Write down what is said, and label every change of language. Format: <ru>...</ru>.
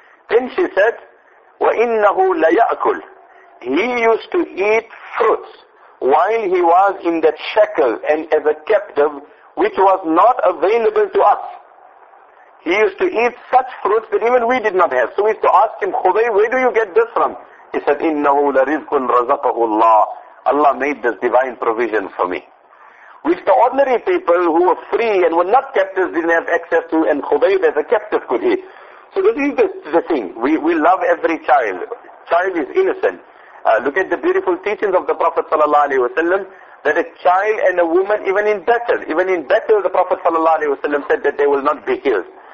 <en>Then she said,</en> <ar>وَإِنَّهُ لَيَأْكُلُ.</ar> <en>He used to eat fruits while he was in that shackle and as a captive, which was not available to us. He used to eat such fruits that even we did not have. So we used to ask him, Khubayb, where do you get this from? He said,</en> <ar>إِنَّهُ لَرِزْقٌ رَزَقَهُ اللَّهُ.</ar> <en>Allah made this divine provision for me. Which the ordinary people who were free and were not captives didn't have access to, and Khubayb as a captive could eat. So this is the thing. We love every child. Child is innocent. Look at the beautiful teachings of the Prophet sallallahu alaihi wasallam, that a child and a woman, even in battle, the Prophet sallallahu alaihi wasallam said that they will not be killed.</en>